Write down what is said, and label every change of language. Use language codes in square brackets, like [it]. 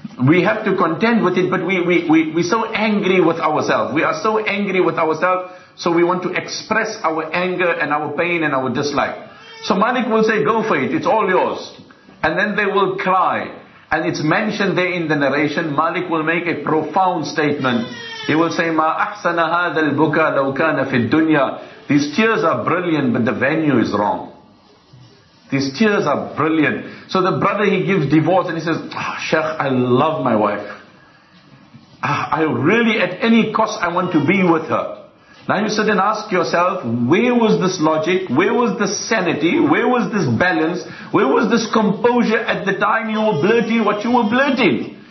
[en] We have to contend with it, but we're so angry with ourselves. We are so angry with ourselves, so we want to express our anger and our pain and our dislike. So Malik will say, go for it, it's all yours. And then they will cry. And it's mentioned there in the narration, Malik will make a profound statement. He will say, [ar] مَا أَحْسَنَ هَذَا الْبُكَى لَوْ كَانَ فِي الدُّنْيَا. [en] These tears are brilliant, but the venue is wrong. These tears are brilliant. So the brother, he gives divorce and he says, oh, Sheikh, I love my wife. I really, at any cost, I want to be with her. Now you sit and ask yourself, where was this logic, where was this sanity, where was this balance, where was this composure at the time you were blurting what you were blurting?